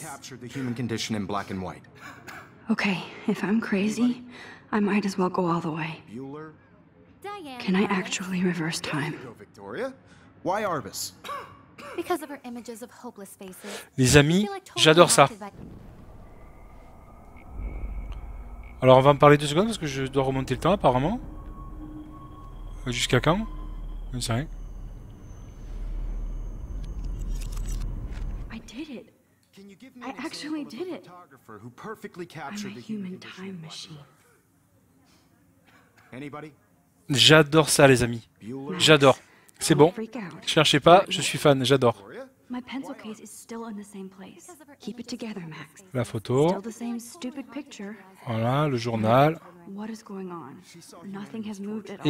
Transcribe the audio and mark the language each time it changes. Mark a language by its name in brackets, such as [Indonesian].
[English] Captured the human condition in black and white. Okay, if I'm crazy, I might as well go all the way. Bueller. Diane. Can I actually reverse time? There you go, Victoria. Why Arvis? Because of her images of hopeless faces. [French] Les amis, j'adore ça. Alors on va en parler deux secondes parce que je dois remonter le temps apparemment. Jusqu'à quand? Je ne sais rien. [English] I did it. Can you give me an example of a photographer who perfectly captured the human time machine? Anybody? [French] J'adore ça les amis. J'adore. C'est bon. Cherchez pas, je suis fan, j'adore. [English] My pencil case is still in the same place. Keep it together, Max. [French] La photo. [English] Still the same stupid picture. [French] Voilà, le journal. [English] What is going on? Nothing has moved at all.